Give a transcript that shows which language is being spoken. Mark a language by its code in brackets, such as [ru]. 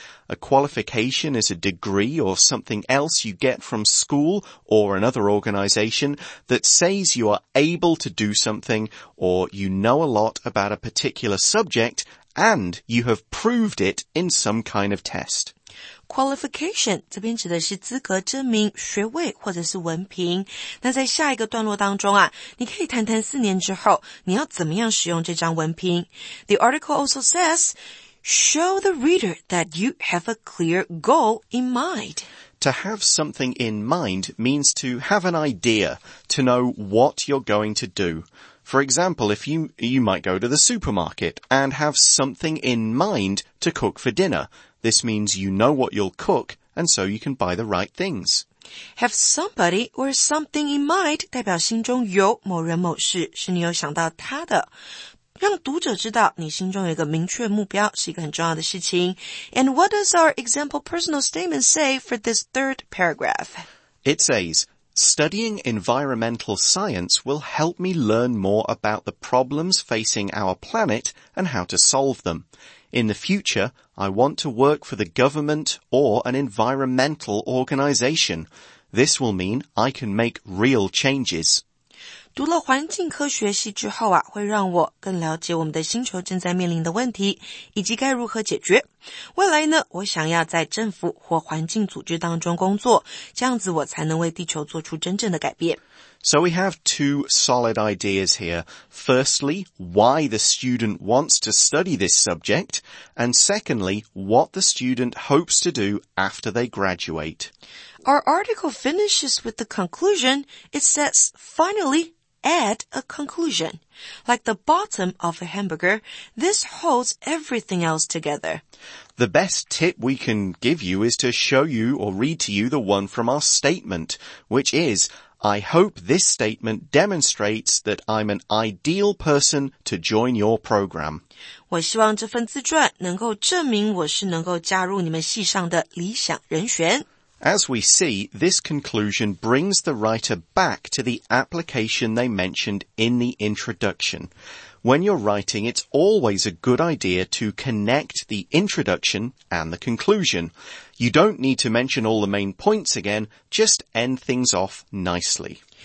[en] A qualification is a degree or something else you get from school or another organization that says you are able to do something or you know a lot about a particular subject,And you have proved it in some kind of test. [zh] Qualification, 这边指的是资格证明、学位或者是文凭。那在下一个段落当中啊，你可以谈谈四年之后，你要怎么样使用这张文凭。 [en] The article also says, show the reader that you have a clear goal in mind. To have something in mind means to have an idea, to know what you're going to do. For example, if you might go to the supermarket and have something in mind to cook for dinner. This means you know what you'll cook and so you can buy the right things. Have somebody or something in mind [zh] 代表心中有某人某事是你有想到他的。让读者知道你心中有一个明确目标是一个很重要的事情。 [en] And what does our example personal statement say for this third paragraph? It says, studying environmental science will help me learn more about the problems facing our planet and how to solve them. In the future, I want to work for the government or an environmental organization. This will mean I can make real changes. [zh] 读了环境科学系之后啊，会让我更了解我们的星球正在面临的问题，以及该如何解决。未来呢，我想要在政府或环境组织当中工作，这样子我才能为地球做出真正的改变。 [en] So we have two solid ideas here. Firstly, why the student wants to study this subject, and secondly, what the student hopes to do after they graduate. Our article finishes with the conclusion. It says, finally, add a conclusion. Like the bottom of a hamburger, this holds everything else together. The best tip we can give you is to show you or read to you the one from our statement, which is... I hope this statement demonstrates that I'm an ideal person to join your program. [zh] 我希望这份自传能够证明我是能够加入你们系上的理想人选。 [en] As we see, this conclusion brings the writer back to the application they mentioned in the introduction. When you're writing, it's always a good idea to connect the introduction and the conclusion. You don't need to mention all the main points again, just end things off nicely.